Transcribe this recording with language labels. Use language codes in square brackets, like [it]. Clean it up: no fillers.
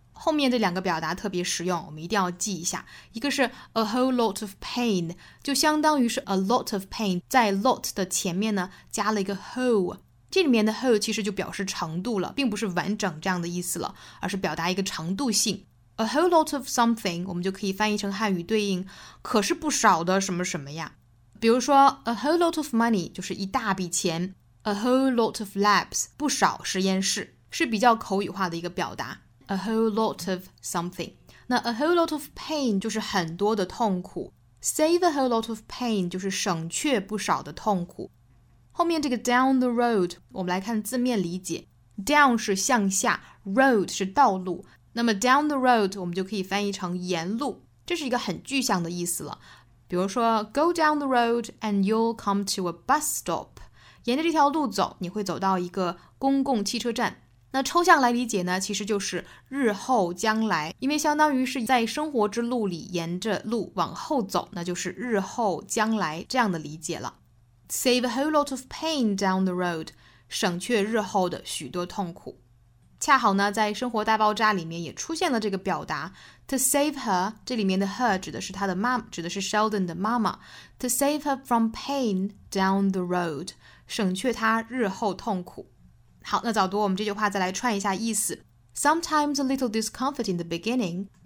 [zh] 后面这两个表达特别实用，我们一定要记一下。一个是 [en] a whole lot of pain， [zh] 就相当于是 [en] a lot of pain， [zh] 在 lot 的前面呢加了一个 whole，这里面的 whole 其实就表示程度了，并不是完整这样的意思了，而是表达一个程度性。 [en] A whole lot of something [zh] 我们就可以翻译成汉语对应可是不少的什么什么呀。比如说 [en] A whole lot of money [zh] 就是一大笔钱， [en] A whole lot of labs [zh] 不少实验室，是比较口语化的一个表达， [en] A whole lot of something。 [zh] 那 [en] A whole lot of pain [zh] 就是很多的痛苦， [en] Save a whole lot of pain [zh] 就是省却不少的痛苦。后面这个 [en] down the road， [zh] 我们来看字面理解， down 是向下， road 是道路，那么 down the road 我们就可以翻译成沿路，这是一个很具象的意思了。比如说 [en] go down the road and you'll come to a bus stop， [zh] 沿着这条路走你会走到一个公共汽车站。那抽象来理解呢，其实就是日后将来，因为相当于是在生活之路里沿着路往后走，那就是日后将来这样的理解了。 [en] Save a whole lot of pain down the road， [zh] 省却日后的许多痛苦。恰好呢，在《生活大爆炸》里面也出现了这个表达 ， [en] to save her， [zh] 这里面的 her 指的是她的妈，指的是 Sheldon 的妈妈 ， [en] to save her from pain down the road， [zh] 省却她日后痛苦。好，那早读我们这句话再来串一下意思。 [en] Sometimes a little discomfort in the beginning。